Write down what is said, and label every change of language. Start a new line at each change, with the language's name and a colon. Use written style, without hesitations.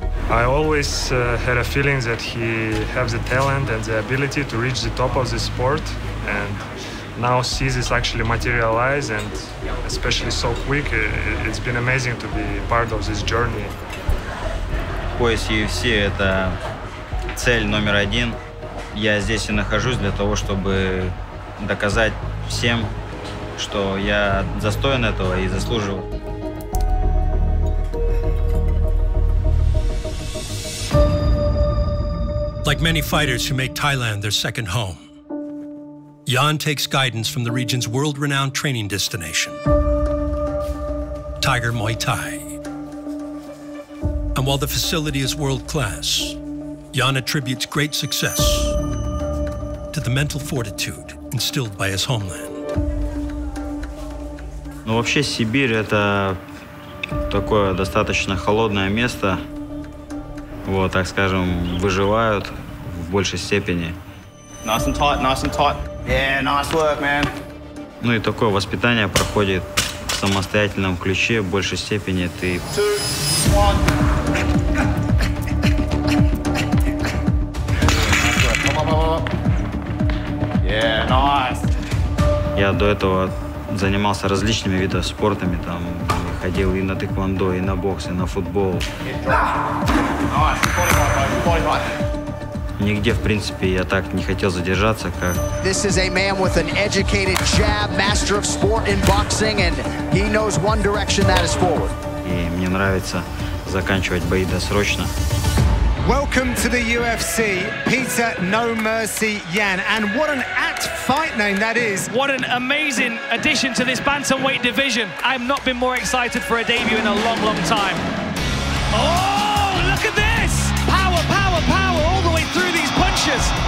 English: I always had a feeling that he has the talent and the ability to reach the top of the sport, and now see this actually materialize, and especially so quick, it's been amazing to be part of this journey.
Russian: Пояс UFC – это цель номер один. Я здесь и нахожусь для того, чтобы доказать всем, что я достоин этого и заслуживаю.
English: Like many fighters who make Thailand their second home, Jan takes guidance from the region's world-renowned training destination, Tiger Muay Thai. And while the facility is world-class, Jan attributes great success to the mental fortitude instilled by his homeland.
Russian: Ну вообще Сибирь это такое достаточно холодное место. Вот, так скажем, выживают. Больше степени.
English: Nice and tight, nice and tight. Yeah, nice work, man.
Russian: Ну и такое воспитание проходит в самостоятельном ключе, больше степени ты.
English: Two, one. Yeah, nice.
Russian: Я до этого занимался различными видами спорта, там ходил и на тэквондо, и на бокс, и на футбол. Нигде, в принципе, я так не хотел задержаться, как...
English: This is a man with an educated jab, master of sport in boxing, and he knows one direction that is forward.
Russian: И мне нравится заканчивать бои досрочно.
English: Welcome to the UFC, Peter No Mercy Jan. And what an apt fight name that is. What an amazing addition to this bantamweight division. I've not been more excited for a debut in a long, long time. Oh, look at this! Power, power, power! Through these punches.